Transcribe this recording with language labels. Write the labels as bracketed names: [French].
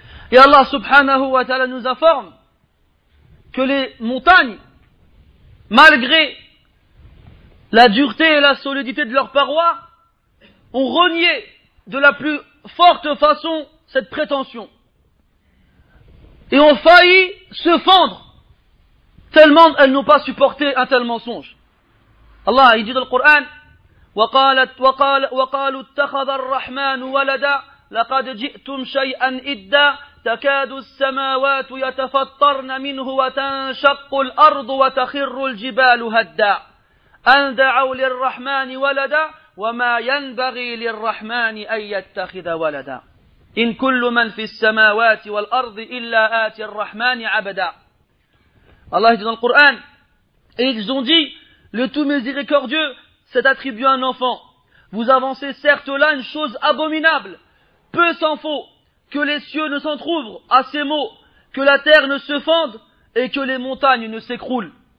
[French] Et Allah subhanahu wa ta'ala nous informe que les montagnes, malgré la dureté et la solidité de leurs parois, ont renié de la plus forte façon cette prétention. Et ont failli se fendre tellement elles n'ont pas supporté un tel mensonge. Allah il dit dans le Coran, [Arabic] وقالوا اتخذ الرحمن ولدا لقد جئتم شيئا إدا تكاد السماوات يتفطرن منه وتنشق الأرض وتخر الجبال هدا أن دعوا للرحمن ولدا وما ينبغي للرحمن أن يتخذ ولدا إن كل من في السماوات والأرض إلا آتي الرحمن عبدا. الله يجزي القرآن [French] ils ont dit, le tout miséricordieux s'est attribué à un enfant. Vous avancez certes là une chose abominable. Peu s'en faut que les cieux ne s'entr'ouvrent à ces mots, que la terre ne se fende et que les montagnes ne s'écroulent.